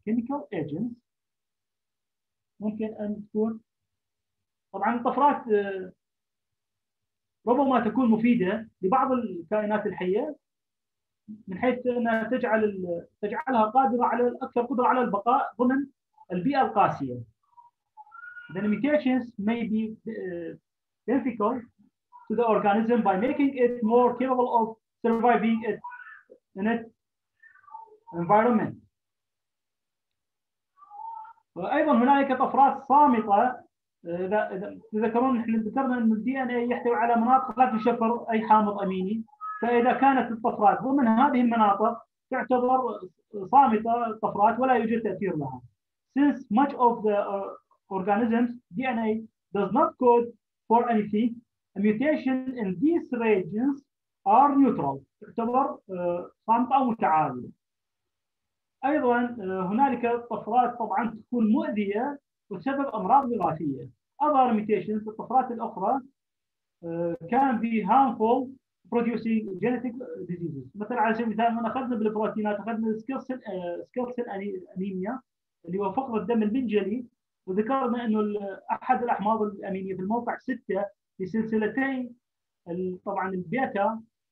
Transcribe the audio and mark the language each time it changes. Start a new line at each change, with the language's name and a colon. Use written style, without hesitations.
Arabic: chemical agents ممكن أن تكون طبعا الطفرات ربما تكون مفيدة لبعض الكائنات الحية من حيث أنها تجعلها قادرة على أكثر قدرة على البقاء ضمن البيئة القاسية.
English: The mutations may be beneficial to the organism by making it more capable of surviving it in its environment.
Arabic: أيضا هناك طفرات صامتة، إذا تذكرون نحن ذكرنا أن الـ DNA يحتوي على مناطق لا تشفر أي حامض أميني، فإذا كانت الطفرات ضمن هذه المناطق تعتبر صامتة الطفرات ولا يوجد تأثير لها.
English: Since much of the organism's DNA does not code for anything, a mutation in these regions are neutral.
Arabic: تعتبر صامتة أو متعادلة. أيضا هنالك طفرات طبعا تكون مؤذية وتسبب أمراض وراثية.
English: Other mutations
Arabic: في الطفرات الأخرى
English: can be harmful producing genetic diseases.
Arabic: مثلا على سبيل المثال لما أخذنا بالبروتينات أخذنا سكيلسن أنيميا اللي هو فقر الدم المنجلي، وذكرنا أنه أحد الأحماض الأمينية في الموقع 6 في سلسلتين طبعا البيتا